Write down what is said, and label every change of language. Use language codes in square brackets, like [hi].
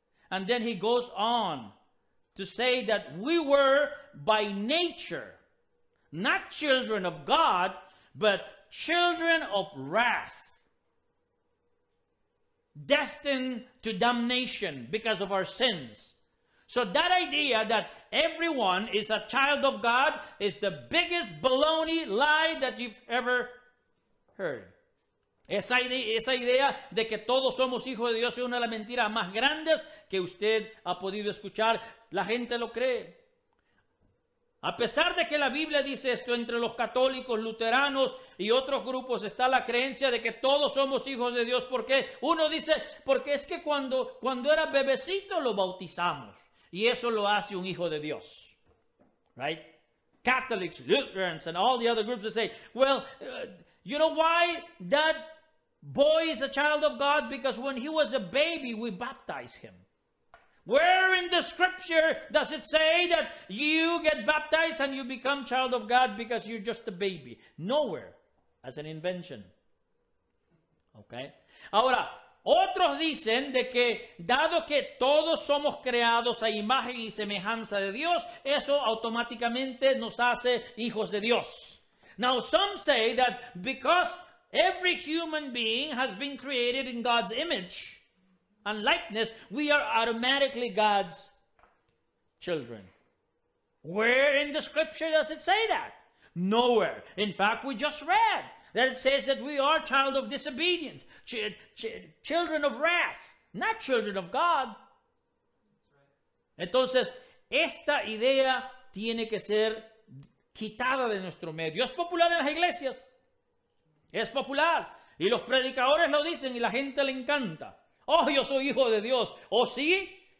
[en] And then he goes on to say that we were by nature not children of God, but children of wrath, destined to damnation because of our sins. So that idea that everyone is a child of God is the biggest baloney lie that you've ever heard. [es] Esa idea de que todos somos hijos de Dios es una de las mentiras más grandes que usted ha podido escuchar. La gente lo cree. A pesar de que la Biblia dice esto, entre los católicos, luteranos y otros grupos está la creencia de que todos somos hijos de Dios. ¿Por qué? Uno dice, porque es que cuando era bebecito lo bautizamos. Y eso lo hace un hijo de Dios. [en] Right? Catholics, Lutherans, and all the other groups that say, well, you know why that boy is a child of God? Because when he was a baby, we baptized him. Where in the scripture does it say that you get baptized and you become child of God because you're just a baby? Nowhere. As an invention. Okay. [es] Ahora, otros dicen de que dado que todos somos creados a imagen y semejanza de Dios, eso automáticamente nos hace hijos de Dios. [en] Now, some say that because every human being has been created in God's image and likeness, we are automatically God's children. Where in the scripture does it say that? Nowhere. In fact, we just read that it says that we are child of disobedience, children of wrath, not children of God. [es] Entonces, esta idea tiene que ser quitada de nuestro medio. Es popular en las iglesias. Es popular. Y los predicadores lo dicen y la gente le encanta. Oh, yo soy hijo de Dios. ¿O sí?